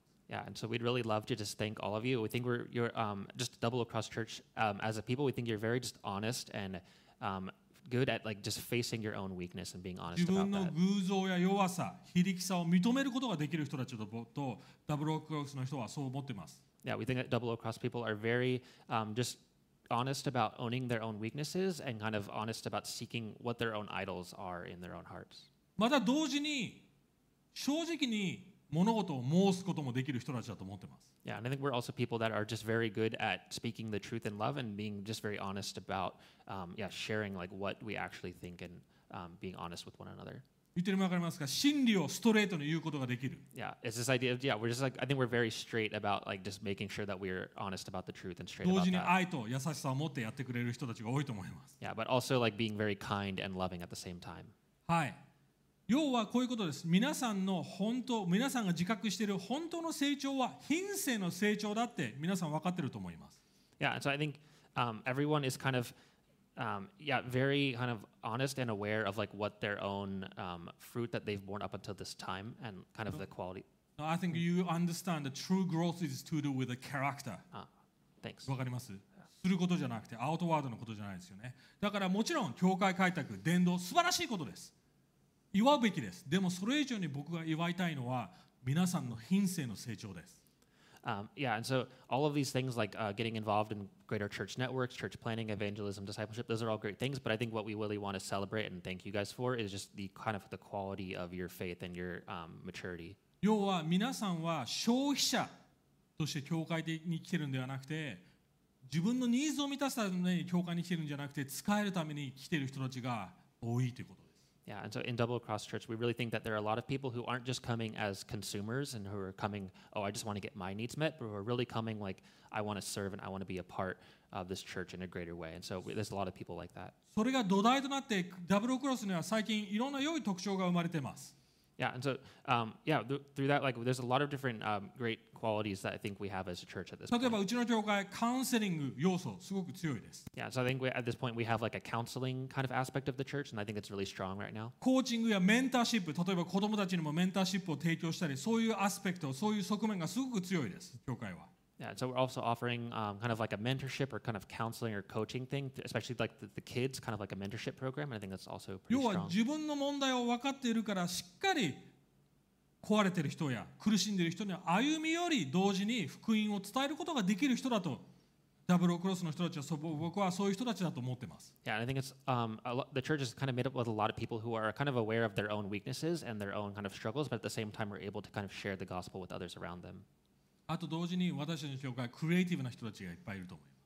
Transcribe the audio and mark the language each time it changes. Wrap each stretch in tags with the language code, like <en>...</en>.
<en>Yeah, and so we'd really love to just thank all of you. We think you're just Double Across Church as a people. We think you're very just honest and good at like just facing your own weakness and being honest about that.</en> <ja>自分の偶像や弱さ、非力さを認めることができる人たちとダブルクロスの人はそう思ってます。</ja> <en>Yeah, we think that Double Across people are very just honest about owning their own weaknesses and kind of honest about seeking what their own idols are in their own hearts.</en> <ja>また同時に正直に物事を申すこともできる人たちだと思ってます。</ja> <en>Yeah, and I think we're also people that are just very good at speaking the truth in love and being just very honest about, sharing like what we actually think and being honest with one another.</en> <ja>言ってるのわかりますか？真理をストレートに言うことができる。</ja> <en>Yeah, it's this idea of, yeah, we're just like, I think we're very straight about like just making sure that we're honest about the truth and straight about that.</en> <ja>同時に愛と優しさを持ってやってくれる人たちが多いと思います。</ja> <en>Yeah, but also like being very kind and loving at the same time.</en> <ja>はい。要はこういうことです。皆さんの本当、皆さんが自覚している本当の成長は品性の成長だって皆さん分かってると思います。</ja> <en>Yeah, so I think everyone is kind of very kind of honest and aware of like what their own fruit that they've borne up until this time and kind of the quality. No, I think you understand the true growth is to do with the character. Thanks.</en> <ja>分かります。することじゃなくてアウトワードのことじゃないですよね。だからもちろん教会開拓、伝道、素晴らしいことです。祝うべきです。でもそれ以上に僕が祝いたいのは皆さんの品性の成長です。</ja> <en>Yeah, and so all of these things like getting involved in greater church networks, church planning, evangelism, discipleship, those are all great things. But I think what we really want to celebrate and thank you guys for is just the kind of the quality of your faith and your maturity.</en> <ja>要は皆さんは消費者として教会に来てるんではなくて、自分のニーズを満たすために教会に来てるんじゃなくて、使えるために来てる人たちが多いということです。</ja> <en>Yeah, and so in Double Cross Church, we really think that there are a lot of people who aren't just coming as consumers and who are coming, oh, I just want to get my needs met, but who are really coming like, I want to serve and I want to be a part of this church in a greater way. And so there's a lot of people like that.</en> <ja>それが土台となって、Double Cross には最近いろんな良い特徴が生まれてます。</ja> <en>Yeah, and so, yeah, through that, like, there's a lot of different great qualities that I think we have as a church at this point.</en> <ja>例えば、うちの教会、カウンセリング要素、すごく強いです。</ja> <en>Yeah, so I think at this point we have, like, a counseling kind of aspect of the church, and I think it's really strong right now.</en> <ja>コーチングやメンターシップ、例えば子供たちにもメンターシップを提供したり、そういうアスペクト、そういう側面がすごく強いです、教会は。</ja> <en>Yeah, so we're also offering kind of like a mentorship or kind of counseling or coaching thing, especially like the kids, kind of like a mentorship program, and I think that's also pretty strong.</en> <ja>要は自分の問題を分かっているからしっかり壊れている人や苦しんでいる人に歩み寄り同時に福音を伝えることができる人だと、ダブルクロスの人たちは僕はそういう人たちだと思ってます。</ja> <en>Yeah, and I think it's the church is kind of made up with a lot of people who are kind of aware of their own weaknesses and their own kind of struggles, but at the same time are able to kind of share the gospel with others around them.</en> <ja>あと同時に私たちの教会はクリエイティブな人たちがいっぱいいると思います。</ja>